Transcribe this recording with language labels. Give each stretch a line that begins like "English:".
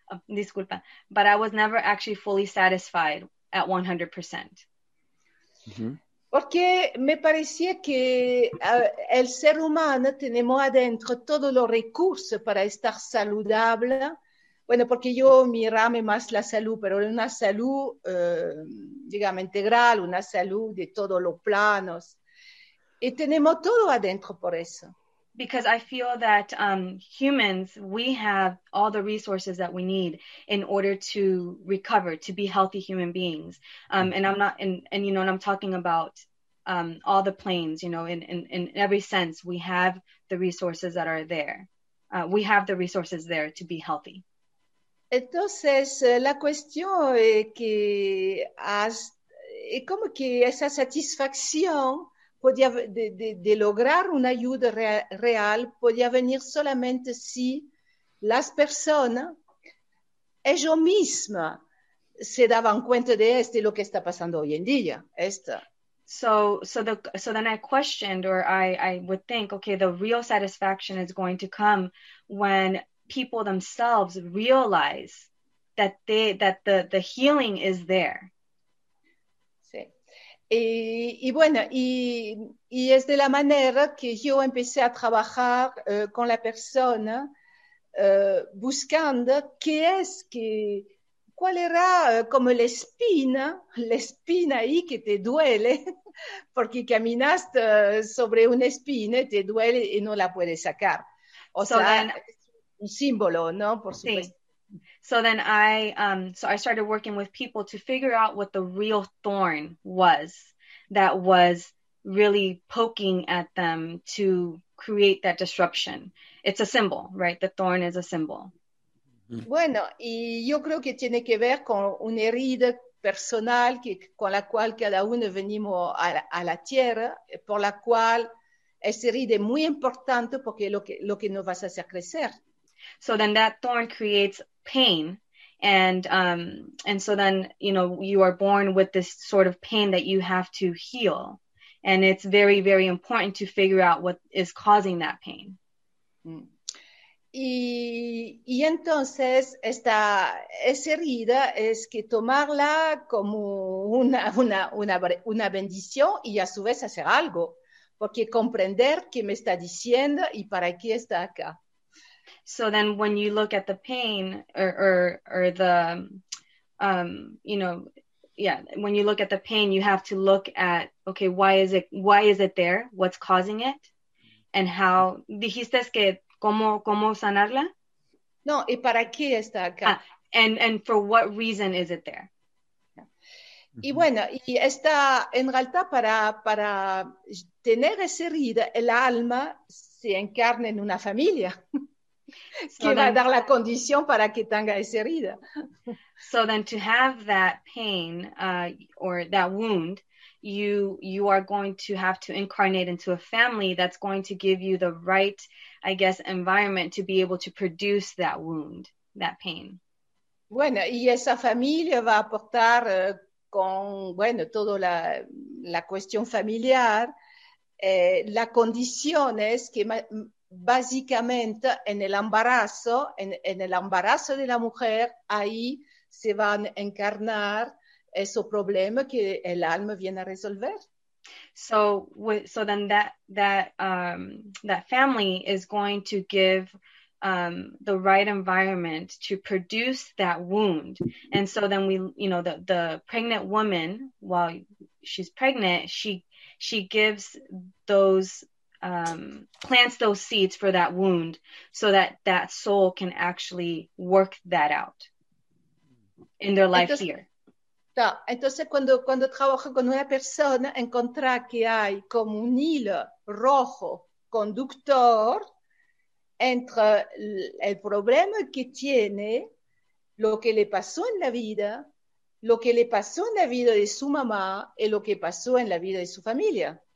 Spanish: Disculpa,
English: but I was never actually fully satisfied at 100%. Mm-hmm.
Spanish: Porque me parecía que el ser humano tenemos adentro todos los recursos para estar saludable. Bueno, porque yo mirame más la salud, pero una salud, digamos, integral, una salud de todos los planos. Y tenemos todo adentro por eso.
English: Because I feel that humans, we have all the resources that we need in order to recover, to be healthy human beings. And you know, and I'm talking about all the planes, you know, in every sense, we have the resources that are there. We have the resources there to be healthy.
Spanish: Entonces, la cuestión es como que esa satisfacción podía de lograr una ayuda real podía venir solamente si las personas, ellos mismos, se daban cuenta de esto y lo que está pasando hoy en día. Esto.
English: So then I questioned, or I would think, okay, the real satisfaction is going to come when people themselves realize that the healing is there.
Spanish: Sí. Y bueno, y es de la manera que yo empecé a trabajar con la persona buscando qué es que cuál era como la espina ahí que te duele porque caminaste sobre una espina y te duele y no la puedes sacar. Símbolo, ¿no? Por supuesto. Sí.
English: So then I started working with people to figure out what the real thorn was that was really poking at them to create that disruption. It's a symbol, right? The thorn is a symbol.
Spanish: Bueno, y yo creo que tiene que ver con una herida personal con la cual cada uno venimos a la tierra, por la cual esa herida es muy importante porque lo que nos va a hacer crecer.
English: So then that thorn creates pain, And so then, you know, you are born with this sort of pain that you have to heal. And it's very, very important to figure out what is causing that pain.
Spanish: Y entonces esta esa herida es que tomarla como una bendición y a su vez hacer algo, porque comprender qué me está diciendo y para qué está acá.
English: So then when you look at the pain or the you know, yeah, when you look at the pain, you have to look at, okay, why is it there? What's causing it? And how,
Spanish: dijiste que cómo sanarla? No, ¿y para qué está acá?
English: Ah, and for what reason is it there?
Spanish: Y bueno, y está en realidad para tener esa herida, el alma se encarna en una familia. So que va a dar la condición para que tenga esa herida.
English: So then to have that pain or that wound, you are going to have to incarnate into a family that's going to give you the right, I guess, environment to be able to produce that wound, that pain.
Spanish: Bueno, y esa familia va a aportar con, bueno, toda la cuestión familiar, la condición es que... Básicamente, en el embarazo de la mujer, ahí se van a encarnar esos problemas que el alma viene a resolver.
English: So then that family is going to give the right environment to produce that wound. And so then we, you know, the pregnant woman, while she's pregnant, she gives those plants those seeds for that wound so that soul can actually work that out in their life.
Spanish: Entonces, here. Entonces, cuando trabajo con una persona, encontré que hay como un hilo rojo conductor entre el problema que tiene, lo que le pasó en la vida, lo que le pasó en la vida de su mamá y lo que pasó en la vida de su familia.